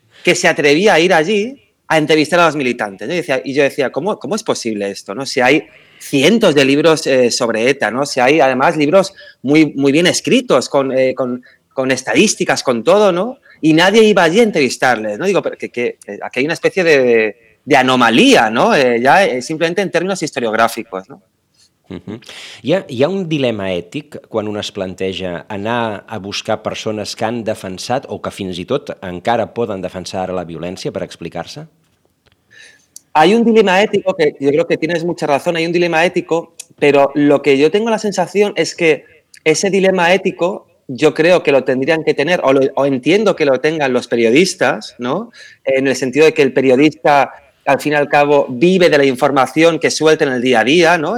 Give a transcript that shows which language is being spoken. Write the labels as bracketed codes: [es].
[es] Que se atrevía a ir allí a entrevistar a los militantes, ¿no? Y yo decía, ¿cómo es posible esto, ¿no? Si hay cientos de libros sobre ETA, ¿no? Si hay, además, libros muy, muy bien escritos, con estadísticas, con todo, ¿no? Y nadie iba allí a entrevistarles, ¿no? Digo, pero aquí hay una especie de anomalía, ¿no? Ya simplemente en términos historiográficos, ¿no? Uh-huh. [ca] Hi ha un dilema ètic quan un es planteja anar a buscar persones que han defensat o que fins i tot encara poden defensar ara la violència per explicar-se? [es] Hay un dilema ético, que yo creo que tienes mucha razón, hay un dilema ético, pero lo que yo tengo la sensación es que ese dilema ético yo creo que lo tendrían que tener, o entiendo que lo tengan los periodistas, ¿no? En el sentido de que el periodista, al fin y al cabo, vive de la información que suelta en el día a día, ¿no?